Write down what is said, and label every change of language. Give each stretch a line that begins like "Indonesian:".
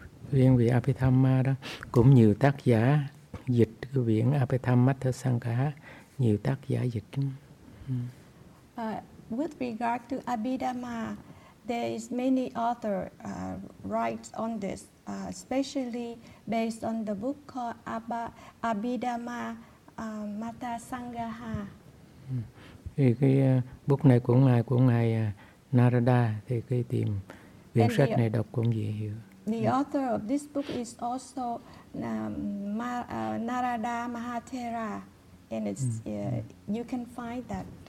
Vietnamese: Quyển Abhidhamma đó cũng nhiều tác giả dịch, quyển Abhidhammasangha nhiều tác giả dịch.
English: With regard to Abhidhamma, there is many author writes on this, especially based on the book called Abhidhamma Mata Sangaha.
Vietnamese: Thì cái book này của ngài Narada, thì cái tìm quyển sách này đọc cũng dễ hiểu.
English: The author of this book is also Narada Mahathera, and it's you can find that